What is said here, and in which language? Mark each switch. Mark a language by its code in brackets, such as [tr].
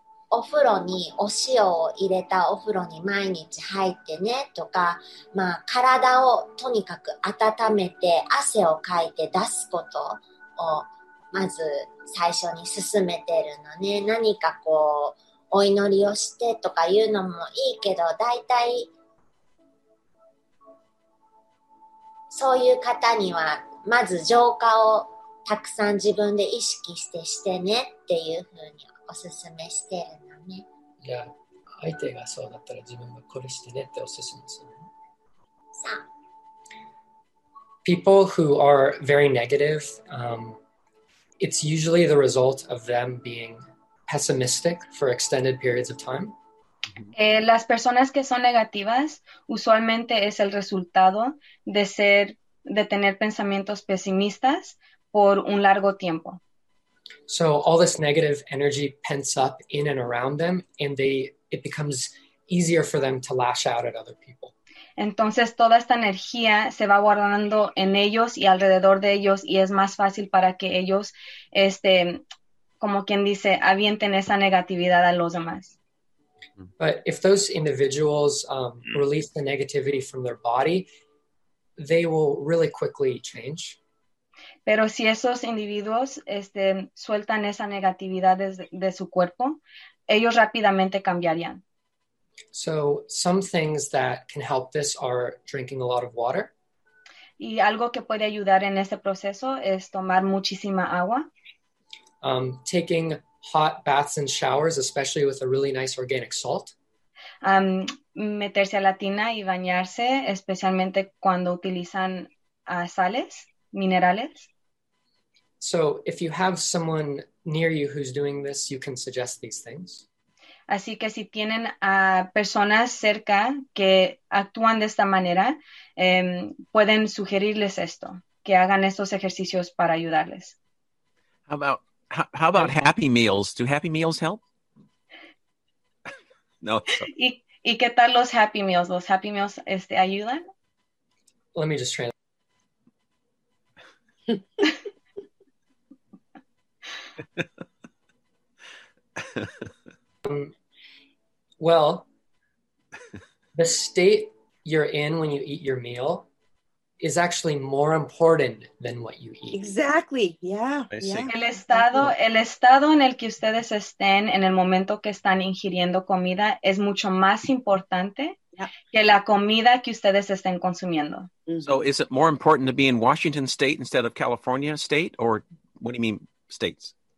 [ja] お風呂にお塩を入れたお風呂に毎日入ってねとか、体をとにかく温めて汗をかいて出すことを、まず最初に勧めてるのね。何かこう、お祈りをしてとかいうのもいいけど、大体、 [en] People who are very negative, it's usually the result of them being pessimistic for extended periods of time. [es] Las personas que son negativas usualmente es el resultado de ser, de tener pensamientos pesimistas por un largo tiempo. [en] So all this negative energy pents up in and around them, and it becomes easier for them to lash out at other people. [es] Entonces toda esta energía se va guardando en ellos y alrededor de ellos, y es más fácil para que ellos, como quien dice, avienten esa negatividad a los demás. [en] But if those individuals release the negativity from their body, they will really quickly change. [es] Pero si esos individuos sueltan esa negatividad de su cuerpo, ellos rápidamente cambiarían. [en] So some things that can help this are drinking a lot of water. [es] Y algo que puede ayudar en este proceso es tomar muchísima agua. [en] Taking hot baths and showers, especially with a really nice organic salt. [es] Meterse a la tina y bañarse, especialmente cuando utilizan sales, minerales. [en] So if you have someone near you who's doing this, you can suggest these things. [es] Así que si tienen a personas cerca que actúan de esta manera, pueden sugerirles esto, que hagan estos ejercicios para ayudarles. [en] How about happy meals? Do happy meals help? No. [es] ¿Y qué tal los happy meals? ¿Los happy meals ayudan? [en] Let me just translate. Well, the state you're in when you eat your meal is actually more important than what you eat. Exactly. Yeah. [es] El estado en el que ustedes estén en el momento que están ingiriendo comida es mucho más importante que la comida que ustedes estén consumiendo. [en] So, is it more important to be in Washington State instead of California State, or what do you mean states?